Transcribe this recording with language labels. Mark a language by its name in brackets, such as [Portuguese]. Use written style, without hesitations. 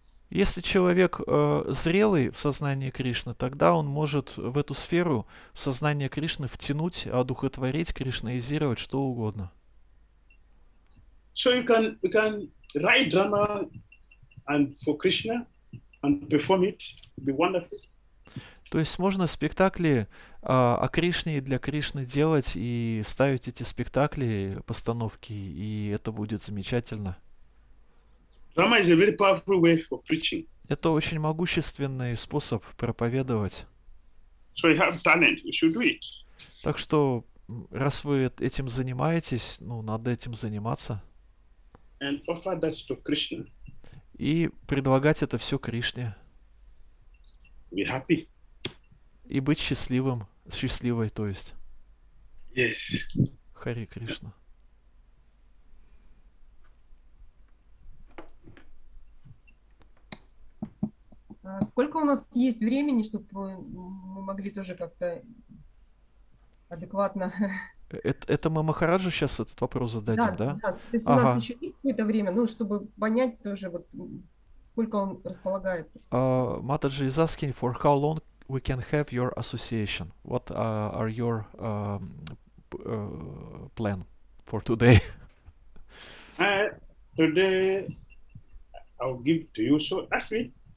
[Russian] Если человек зрелый в сознании Кришны, тогда он может в эту сферу сознания Кришны втянуть, одухотворить, кришнаизировать, что угодно. [English] So you can write drama and for Krishna and perform it, be wonderful. [Russian] То есть можно спектакли о Кришне и для Кришны делать и ставить эти спектакли, постановки, и это будет замечательно. [English] Drama is a very powerful way for preaching. [Russian] Это очень могущественный способ проповедовать. [English] So you have talent, you should do it. [Russian] Так что, раз вы этим занимаетесь, ну, надо этим заниматься. [English] And offer that to Krishna. [Russian] И предлагать это все Кришне. [English] Be happy. [Russian] И быть счастливым, счастливой, то есть. [English] Yes. [Russian] Хари Кришна. Uh, Сколько у нас есть времени, чтобы мы могли тоже как-то адекватно... Это мы Махараджу сейчас этот вопрос зададим, да? Да, то есть ага. У нас еще есть какое-то время, ну, чтобы понять тоже, вот, сколько он располагает. [English] Матаджи is asking for how long we can have your association. What are your plan for today? Today I'll give to you, so ask me.